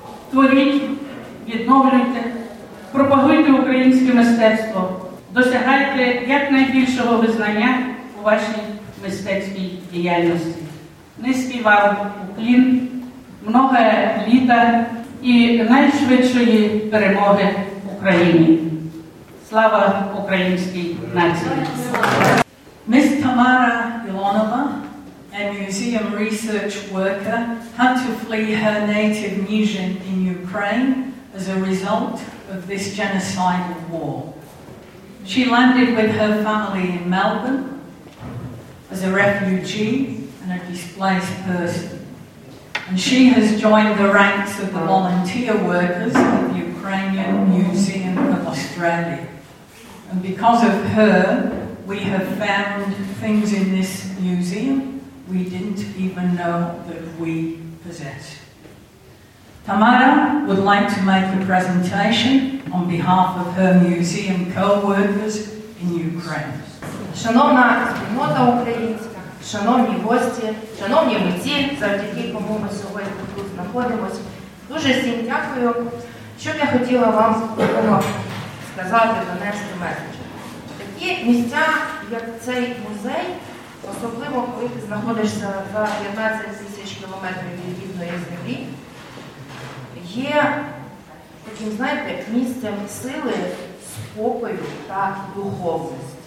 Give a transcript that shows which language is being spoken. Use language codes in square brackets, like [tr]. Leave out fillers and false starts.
[uk] Творіть, відновлюйте, пропагуйте українське мистецтво, досягайте якнайбільшого визнання у вашій мистецькій діяльності. Низький вам уклін, много літа і найшвидшої перемоги Україні. Слава українській нації! [en] Ms. Tamara Ilonova, a museum research worker, had to flee her native Nizhyn in Ukraine as a result of this genocidal war. She landed with her family in Melbourne as a refugee and a displaced person. And she has joined the ranks of the volunteer workers at the Ukrainian Museum of Australia. And because of her, we have found things in this museum we didn't even know that we possess. Tamara would like to make a presentation on behalf of her museum co-workers in Ukraine. [uk] Шановна спільнота українська, шановні гості, шановні митці, завдяки кому ми сьогодні тут знаходимося. Дуже всім дякую. Що б я хотіла вам сказати, донести меседжі? Такі місця, як цей музей, особливо, коли ти знаходишся за 15 тисяч кілометрів від рідної землі, є таким, знаєте, місцем сили, спокою та духовності.